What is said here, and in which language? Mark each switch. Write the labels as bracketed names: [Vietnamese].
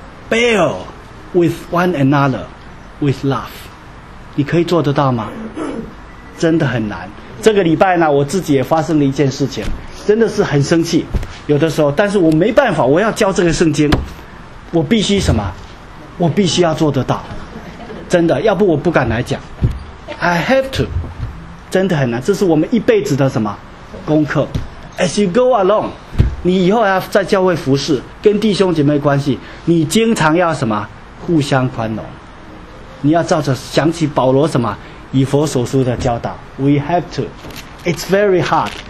[English] Bear with one another with love， [Chinese] 你可以做得到吗？真的很难。这个礼拜呢，我自己也发生了一件事情，真的是很生气。有的时候，但是我没办法，我要教这个圣经，我必须什么？我必须要做得到，真的，要不我不敢来讲。 [English] I have to， [Chinese] 真的很难。这是我们一辈子的什么功课 ？ [English] As you go along， [Chinese] 你以后要在教会服事，跟弟兄姐妹关系，你经常要什么？互相宽容。你要照着想起保罗什么？以弗所书的教导 ， [English] We have to， It's very hard。